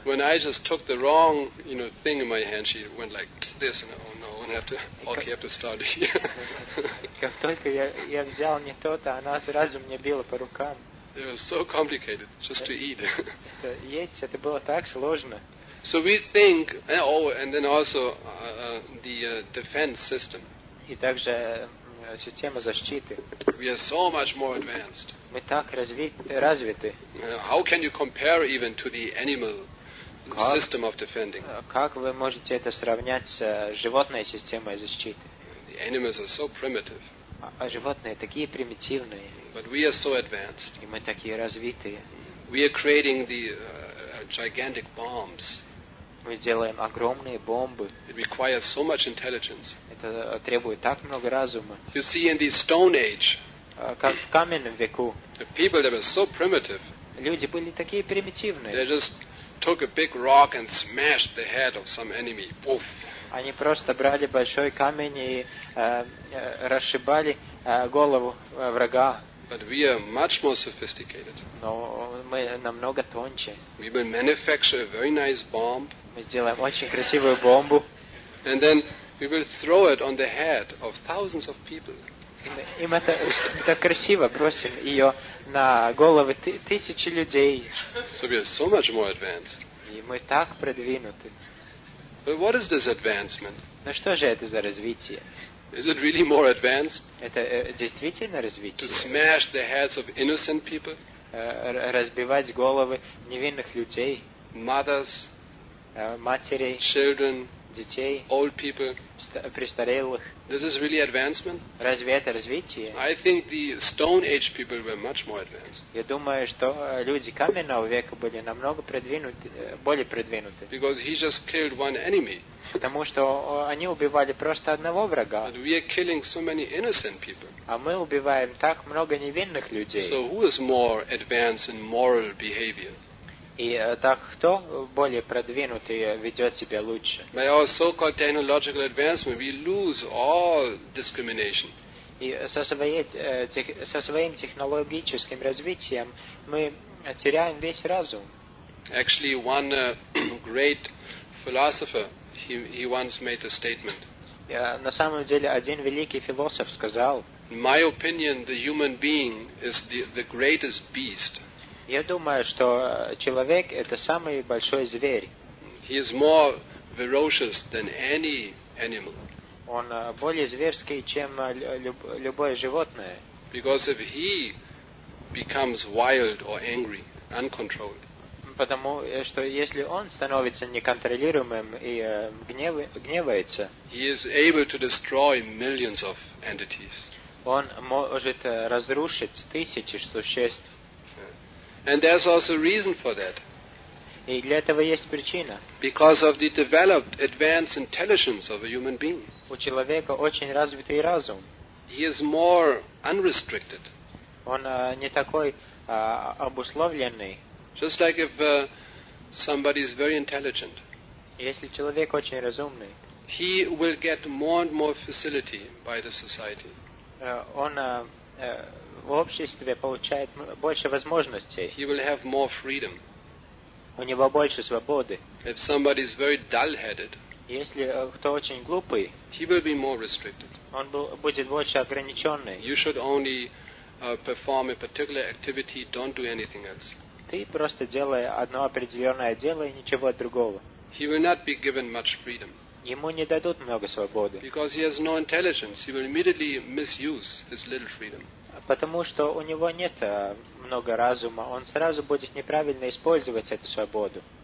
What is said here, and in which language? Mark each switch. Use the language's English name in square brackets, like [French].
[English] When I just took the wrong, you know, thing in my hand, she went like this, and oh no, I have to, okay, I have to start here. [Russian] Как только я взял не тот, она сразу мне била по рукам. [English] It was so complicated just to eat. [Russian] Есть, это было так сложно. [English] So we think, oh, and then also the defense system. [Russian] И также система защиты. [English] We are so much more advanced. [Russian] Мы так развиты. [English] How can you compare even to the animal system of defending? [Russian] Как вы можете это сравнять с животной системой защиты? [English] The animals are so primitive. [Russian] А животные такие примитивные. [English] But we are so advanced. [Russian] И мы такие развитые. [English] We are creating the gigantic bombs. [Russian] Мы делаем огромные бомбы. [English] It requires so much intelligence. [Russian] Это требует так много разума. [English] You see, in the Stone Age, [Russian] как в каменном веку, [English] the people, they were so primitive. [Russian] Люди были такие примитивные. [English] They just took a big rock and smashed the head of some enemy. Poof. [Russian] Они просто брали большой камень и расшибали голову врага. [English] But we are much more sophisticated. [Russian] Но мы намного тоньше. [English] We will manufacture a very nice bomb. [Russian] Мы сделаем очень красивую бомбу. [English] And then we will throw it on the head of thousands of people. [Russian] И мы так красиво бросим ее на головы тысячи людей. [English] So we are so much more advanced. [Russian] И мы так продвинуты. [English] But what is this advancement? [Russian] Но что же это за развитие? [English] Is it really more advanced? [Russian] Это действительно развитие. [English] To smash the heads of innocent people? [Russian] Разбивать головы невинных людей. [English] Mothers, [Russian] матерей, [English] children, [Russian] детей, [English] old people, [Russian] престарелых. [English] This is really advancement? [Russian] Разве это развитие? [English] I think the Stone Age people were much more advanced. [Russian] Я думаю, что люди каменного века были намного продвинуты, более продвинуты. [English] Because he just killed one enemy. [Russian] Потому что они убивали просто одного врага. [English] But we are killing so many innocent people. [Russian] А мы убиваем так много невинных людей. [English] So who is more advanced in moral behavior? [Russian] И так кто более продвинутый ведет себя лучше? [English] By our so-called technological advancement, we lose all discrimination. [Russian] И со своим технологическим развитием мы теряем весь разум. [English] Actually, one great philosopher, he once made a statement. [Russian] На самом деле, один великий философ сказал. [English] In my opinion, the human being is the greatest beast. [Russian] Я думаю, что человек — это самый большой зверь. [English] He is more ferocious than any animal. [Russian] Он более зверский, чем любое животное. [English] Because if he becomes wild or angry, uncontrolled. [Russian] Потому что если он становится неконтролируемым и гневается, [English] he is able to destroy millions of entities. [Russian] Он может разрушить тысячи существ. [English] And there's also a reason for that. [Russian] И для этого есть причина. [English] Because of the developed, advanced intelligence of a human being. [Russian] У человека очень развитый разум. [English] He is more unrestricted. [Russian] Он не такой обусловленный. [English] Just like if somebody is very intelligent. [Russian] Если человек очень разумный. [English] He will get more and more facility by the society. [Russian] Он в обществе получает больше возможностей. [English] He will have more freedom. [Russian] У него больше свободы. [English] If somebody is very dull-headed, [Russian] если кто очень глупый, [English] he will be more restricted. [Russian] Он будет больше ограниченный. [English] You should only perform a particular activity, don't do anything else. [Russian] Ты просто делай одно определенное дело и ничего другого. [English] He will not be given much freedom. [Russian] Ему не дадут много свободы. [English] Because he has no intelligence, he will immediately misuse his little freedom. [Russian] Потому что у него нет много разума, он сразу будет неправильно использовать эту свободу.